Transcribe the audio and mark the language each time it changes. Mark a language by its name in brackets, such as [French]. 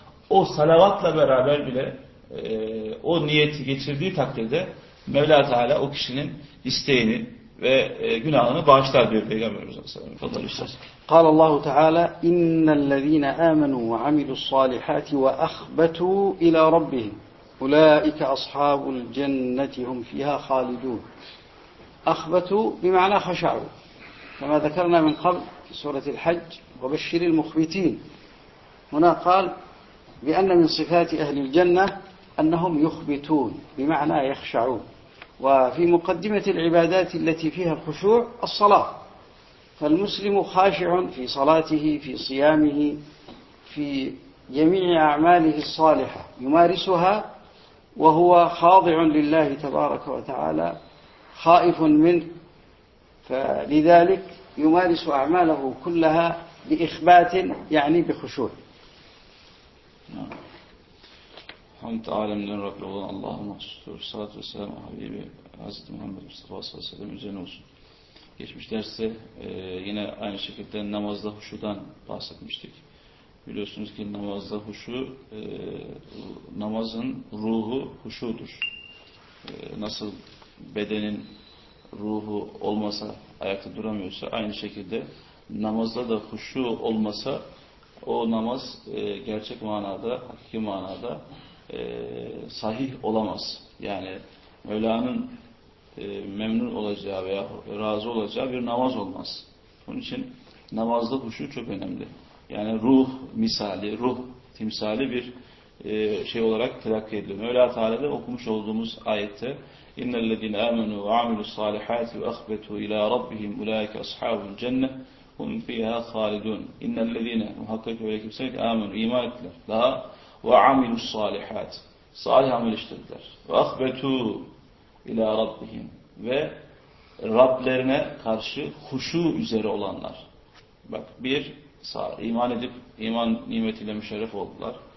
[Turkish] O salavatla beraber bile o niyeti geçirdiği takdirde Mevla Teala o kişinin isteğini ve günahını bağışlar diyor Peygamberimiz sallallahu aleyhi ve sellem. [Arabic] Fadal Üstad. قال الله تعالى إن الذين آمنوا وعملوا الصالحات وأخبتوا إلى ربهم أولئك أصحاب الجنة هم فيها خالدون أخبتوا بمعنى خشعوا كما ذكرنا من قبل في سورة الحج وبشر المخبتين هنا قال بأن من صفات أهل الجنة أنهم يخبتون بمعنى يخشعون وفي مقدمة العبادات التي فيها الخشوع الصلاة فالمسلم خاشع في صلاته في صيامه في جميع أعماله الصالحة يمارسها وهو خاضع لله تبارك وتعالى خائف منه فلذلك يمارس أعماله كلها بإخبات يعني بخشوع حمد عالم من رب العالمين اللهم صل وسلم على حبيبي حضرت محمد مصطفى صلى الله عليه وسلم [Turkish] üzerine olsun. Geçmiş derste yine aynı şekilde namazda huşudan bahsetmiştik. Biliyorsunuz ki namazda huşu, namazın ruhu huşudur. Nasıl bedenin ruhu olmasa ayakta duramıyorsa aynı şekilde namazda da huşu olmasa o namaz gerçek manada, hakiki manada sahih olamaz. Yani Mevla'nın memnun olacağı veya razı olacağı bir namaz olmaz. Onun için namazda huşu çok önemli. Yani ruh misali, ruh timsali bir şey olarak telakki ediliyor. [Arabic] Mevla Teala'da okumuş olduğumuz ayette اِنَّ الَّذِينَ آمَنُوا وَعَمِلُوا الصَّالِحَاتِ وَأَخْبَتُوا اِلَى رَبِّهِمْ اُلَٰئِكَ أَصْحَابُ الْجَنَّةِ هُمْ فِيهَا خَالِدُونَ اِنَّ الَّذِينَ [Turkish] muhakkak öyle kimseler ki [Arabic] آمَنُوا [Turkish] iman ettiler. Daha [Arabic] وَعَمِلُوا الصَّالِحَاتِ [Turkish] salih amel işlediler. [Arabic] وَأَخْبَتُوا اِلَى رَبِّهِمْ [Turkish] ve Rablerine karşı huşu üzere olanlar. Bak bir iman edip iman nimetiyle müşerref oldular.